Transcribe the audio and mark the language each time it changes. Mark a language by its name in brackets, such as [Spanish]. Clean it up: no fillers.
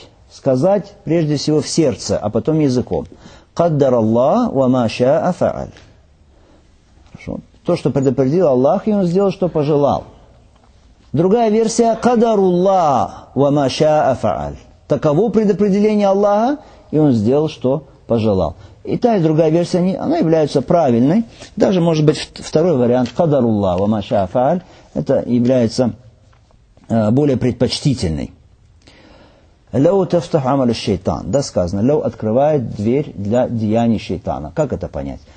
[Russian] Сказать прежде всего в сердце, а потом языком. [Arabic] قدر الله وما شاء فعل. Хорошо. [Russian] То, что предопределил Аллах, и он сделал, что пожелал. Другая версия: [Arabic] قدر الله وما شاء فعل. [Russian] Таково предопределение Аллаха, и он сделал, что пожелал. И та, и другая версия, она является правильной. Даже, может быть, второй вариант: [Arabic] قدر الله وما شاء فعل. [Russian] Это является более предпочтительной. Лау тафтах амаль шайтан. Да, сказано. Лау открывает дверь для деяний шайтана. Как это понять?